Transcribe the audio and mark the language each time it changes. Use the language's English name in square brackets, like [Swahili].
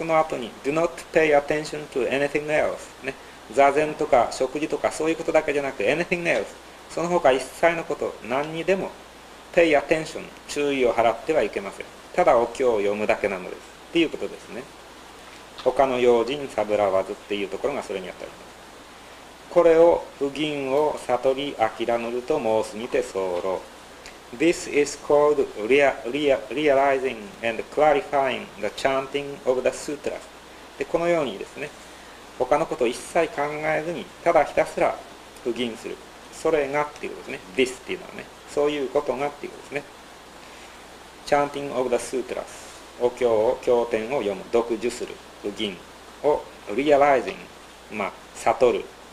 [Japanese] その後に [English] do not pay attention to anything else、 [Japanese] ね、座禅とか食事とかそういうことだけじゃなく [English] anything else、 [Japanese] その他一切のこと何にでも [English] pay attention、 [Japanese] 注意を払ってはいけません。ただお経を読むだけなのですっていうことですね。他の用心さぶらわずっていうところがそれにあたります。これを不銀を悟り諦めると申すにて候。 [English] This is called realizing and clarifying the chanting of the sutras. [Japanese] で、このようにですね、他のことを一切考えずに、ただひたすら不銀する。それがっていうことですね。This っていうのはね、そういうことがっていうことですね。 [English] Chanting of the sutras。 [Japanese] お経を、経典を読む、読受する、不銀を realizing、まあ、悟る。